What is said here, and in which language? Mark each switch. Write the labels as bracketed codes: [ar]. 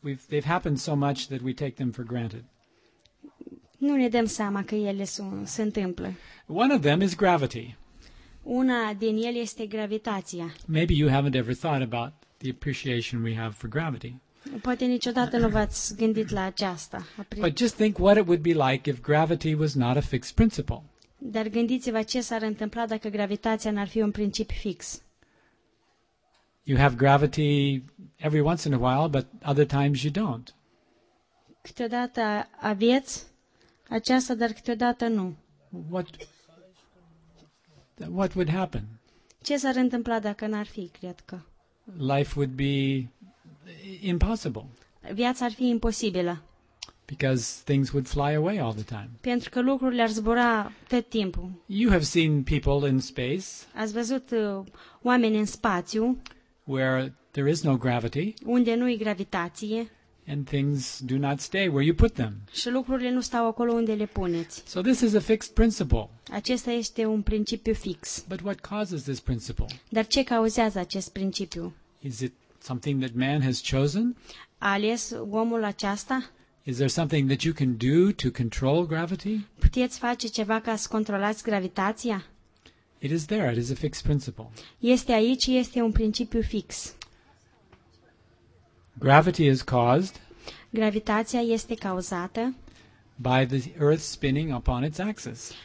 [en] They've happened so much that we take them for granted. [ro] Nu ne dăm seama că ele se întâmplă. [en] One of them is gravity. [ro] Una din ele este gravitația. [en] Maybe you haven't ever thought about the appreciation we have for gravity. [ro] Poate niciodată nu v-ați gândit la aceasta. [en] But just think what it would be like if gravity was not a fixed principle. [ro] Dar gândiți-vă ce s-ar întâmpla dacă gravitația n-ar fi un principiu fix. [en] You have gravity every once in a while, but other times you don't. [ro] Câteodată aveți aceasta, dar câteodată nu. [en] What would happen? [ro] Ce s-ar întâmpla dacă n-ar fi, cred că? [en] Life would be impossible. [ro] Viața ar fi imposibilă. [en] Because things would fly away all the time. [ro] Pentru că lucrurile ar zbura tot timpul. [en] You have seen people in space. [ro] Ați văzut oameni în spațiu. [en] Where there is no gravity. [ro] Unde nu e gravitație. [en] And things do not stay where you put them. [ro] Și lucrurile nu stau acolo unde le puneți. [en] So this is a fixed principle. [ro] Acesta este un principiu fix. [en] But what causes this principle? [ro] Dar ce cauzează acest principiu? [en] Is it something that man has chosen? [ro] A ales omul aceasta? [en] Is there something that you can do to control gravity? [ro] Puteți face ceva ca să controlați gravitația? [en] It is there. It is a fixed principle. [ro] Este aici, este un principiu fix. [en] Gravity is caused. [ro] Gravitația este cauzată. [en] By the Earth spinning upon its axis.